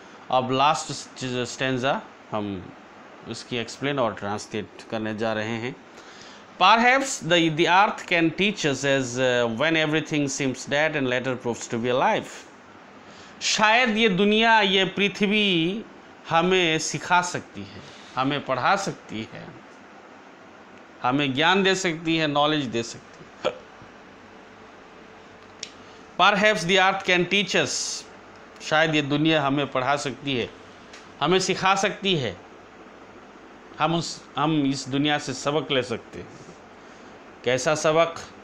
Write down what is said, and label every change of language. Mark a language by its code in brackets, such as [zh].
[hi] अब last stanza हम उसकी एक्सप्लेन और ट्रांसलेट करने जा रहे हैं। [en] Perhaps the earth can teach us as when everything seems dead and later proves to be alive. [hi] शायद ये दुनिया, ये पृथ्वी हमें सिखा सकती है, हमें पढ़ा सकती है, हमें ज्ञान दे सकती है, नॉलेज दे सकती है। [en] Perhaps the earth can teach us, [hi] शायद ये दुनिया हमें पढ़ा सकती है, हमें सिखा सकती है, हम इस दुनिया से सबक ले सकते हैं। कैसा सबक?